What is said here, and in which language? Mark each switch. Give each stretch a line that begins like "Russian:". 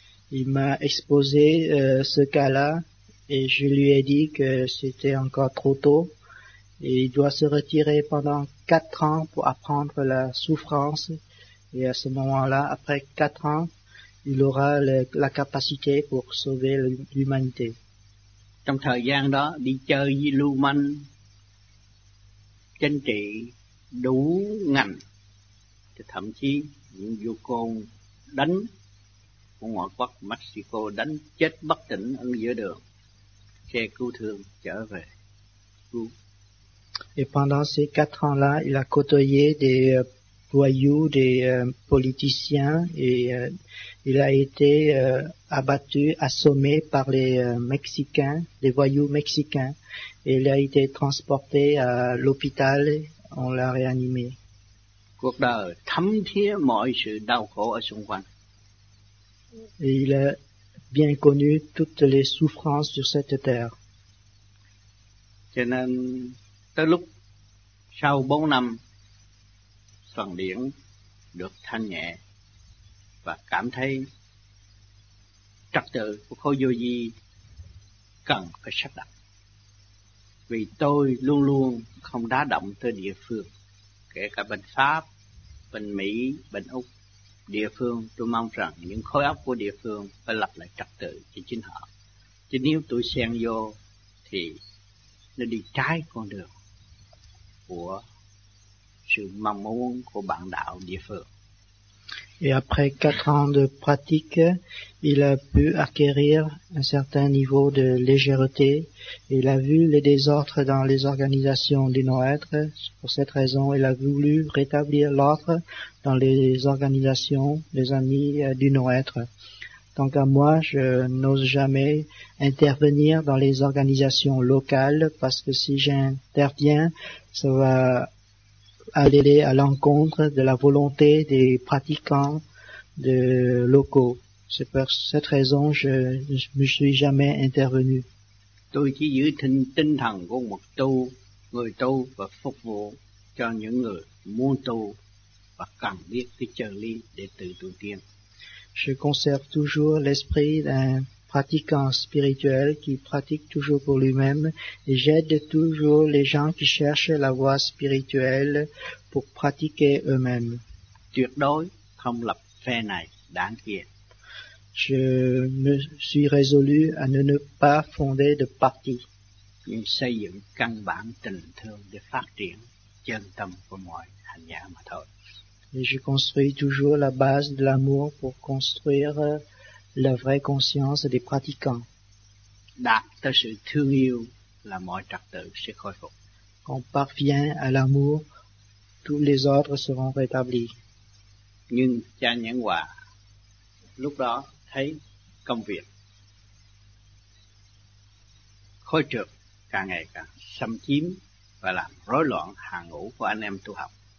French: Il m'a exposé ce cas-là et je lui ai dit que c'était encore trop tôt et il doit se retirer pendant 4 ans pour apprendre la souffrance et à ce moment-là, après 4 ans, il aura la capacité pour sauver l'humanité.
Vietnamese: Trong thời gian đó, đi chơi với lưu manh, chính trị đủ ngành, thậm chí những vô côn đánh ngoại quốc Mexico đánh chết bất tỉnh ở giữa đường, xe cứu thương trở về cứu.
French: Et pendant ces 4 ans là, il a côtoyé des voyous, des politiciens et il a été abattu, assommé par les mexicains, les voyous mexicains, et il a été transporté à l'hôpital, on l'a réanimé.
Vietnamese: Cuộc đời thấm thía mọi sự đau khổ ở xung quanh.
French: Et il a bien connu toutes les souffrances sur cette terre.
Vietnamese: Cho nên tới lúc sau 4 năm, phần điển được thanh nhẹ và cảm thấy trật tự của khối vô vi cần phải sắp đặt. Vì tôi luôn luôn không đá động tới địa phương, kể cả bên Pháp, bên Mỹ, bên Úc. Địa phương, tôi mong rằng những khối óc của địa phương phải lập lại trật tự cho chính họ. Chứ nếu tôi xen vô thì nó đi trái con đường của sự mong muốn của bạn đạo địa phương.
French: Et après 4 ans de pratique, il a pu acquérir un certain niveau de légèreté. Il a vu les désordres dans les organisations des non-êtres. Pour cette raison, il a voulu rétablir l'ordre dans les organisations des amis du non-être. Tant qu'à moi, je n'ose jamais intervenir dans les organisations locales parce que si j'interviens, ça va aller à l'encontre de la volonté des pratiquants de locaux. C'est pour cette raison que je ne me suis jamais intervenu.
Vietnamese: Tôi chỉ giữ tinh thần của một tu, người tu và phục vụ cho những người muốn tu và cần biết cái chân lý để tự tu tiên.
French: Je conserve toujours l'esprit d'un pratiquant spirituel qui pratique toujours pour lui-même et j'aide toujours les gens qui cherchent la voie spirituelle pour pratiquer eux-mêmes.
Vietnamese: Tuyệt đối không lập phe này, đảng kia.
French: Je me suis résolu à ne pas fonder de parti.
Vietnamese: Nhưng xây dựng căn bản tình thương để phát triển chân tâm của mọi hành giả mà thôi.
French: Et je construis toujours la base de l'amour pour construire la vraie conscience des pratiquants.
Vietnamese: Đạt tới sự thương yêu là mọi trật tự sẽ khôi phục.
French: Quand on parvient à l'amour, tous les ordres seront rétablis.
Vietnamese: Nhưng cha Nhãn Hòa lúc đó thấy công việc khối trượt càng ngày càng xâm chiếm và làm rối loạn hàng ngũ của anh em tu học.